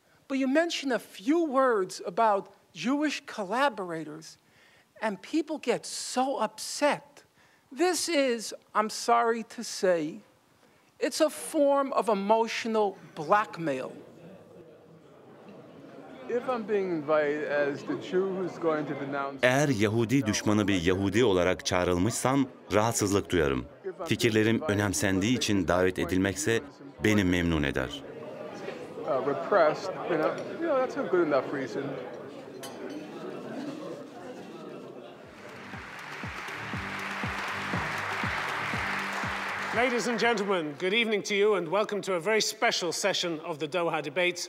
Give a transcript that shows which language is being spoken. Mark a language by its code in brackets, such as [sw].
[en] But you mention a few words about Jewish collaborators, and people get so upset. This is, I'm sorry to say, it's a form of emotional blackmail. If I'm being invited as the Jew who's going to denounce... [tr] Eğer Yahudi düşmanı bir Yahudi olarak çağrılmışsam, rahatsızlık duyarım. Fikirlerim önemsendiği için davet edilmekse, beni memnun eder. [en] Repressed, you know, that's a good enough reason. Ladies and gentlemen, good evening to you and welcome to a very special session of the Doha Debates.